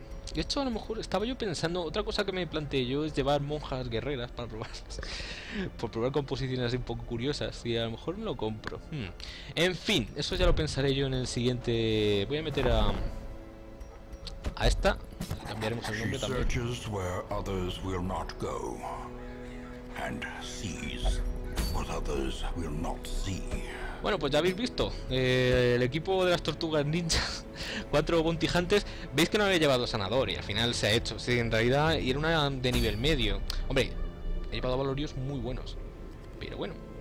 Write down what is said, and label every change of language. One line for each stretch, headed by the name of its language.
Spanish: Y de hecho, a lo mejor estaba yo pensando, otra cosa que me planteé yo es llevar monjas guerreras para probarlas. Por probar composiciones así un poco curiosas. Y a lo mejor me lo compro. En fin, eso ya lo pensaré yo en el siguiente. Voy a meter a. A esta. Cambiaremos el nombre también.
English: She searches where others will not go. And sees what others will not see.
Spanish: Bueno, pues ya habéis visto. El equipo de las tortugas ninja. Cuatro bounty hunters. Veis que no había llevado sanador y al final se ha hecho. Sí, en realidad, y era una de nivel medio. Hombre, he llevado valorios muy buenos. Pero bueno.